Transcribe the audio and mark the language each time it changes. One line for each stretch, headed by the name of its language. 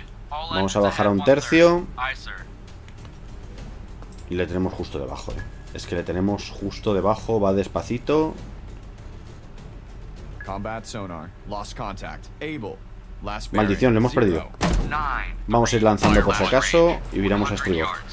Spanish: Vamos a bajar a un tercio. Y le tenemos justo debajo, Es que le tenemos justo debajo, va despacito.
English: Combat sonar, lost contact, able.
Spanish: Maldición, lo hemos perdido. Vamos a ir lanzando por si acaso y viramos a estribor.